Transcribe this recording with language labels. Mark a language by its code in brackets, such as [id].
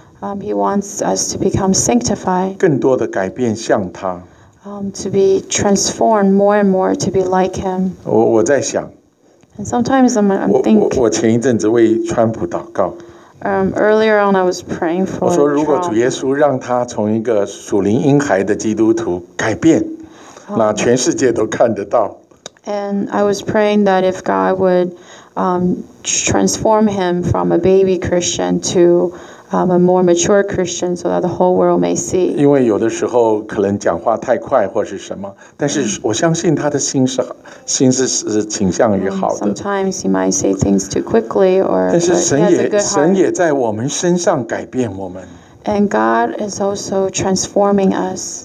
[en] He wants us to become sanctified. [zh] 更多的改变像他。 [en] To be transformed more and more to be like him. [zh] 我在想。 [en] And sometimes I'm thinking. [zh] 我前一阵子为川普祷告。 [en] Earlier on, I was praying for. [zh] 我说，如果主耶稣让他从一个属灵婴孩的基督徒改变，那全世界都看得到。 [en] And I was praying that if God would transform him from a baby Christian to a more mature Christian, so that the whole world may see. [zh] 因为有的时候可能讲话太快或是什么，但是我相信他的心是倾向于好的。 [en] Sometimes he might say things too quickly, or. [zh] 但是神也在我们身上改变我们。 [en] And God is also transforming us.